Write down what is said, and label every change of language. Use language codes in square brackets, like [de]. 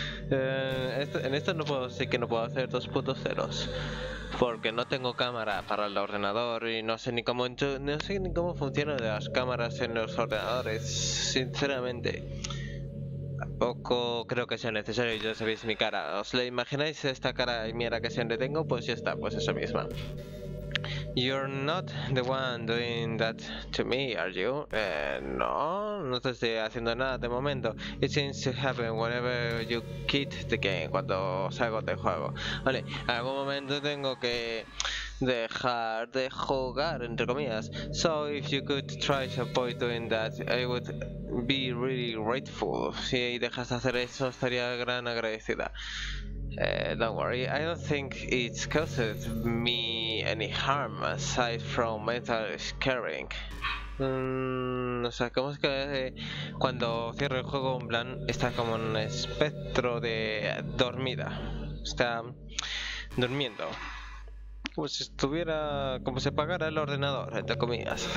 [es] En esto no puedo, sí que no puedo hacer 2.0s porque no tengo cámara para el ordenador y no sé ni cómo funcionan las cámaras en los ordenadores, sinceramente. Tampoco creo que sea necesario, ya sabéis mi cara. ¿Os le imagináis esta cara y mierda que siempre tengo? Pues ya está, pues esa misma. [en] You're not the one doing that to me, are you? [es] No te estoy haciendo nada de momento. [en] It seems to happen whenever you quit the game, [es] cuando salgo del juego. Vale, en algún momento tengo que dejar de jugar, entre comillas. [en] So if you could try to avoid doing that, I would be really grateful. [es] Si dejas de hacer eso, estaría gran agradecida. [en] Don't worry, I don't think it's caused me any harm aside from mental scaring. [es] O sea, como es que cuando cierro el juego, en plan, está como un espectro de dormida. Está durmiendo. Como si estuviera, como si apagara el ordenador, entre comillas.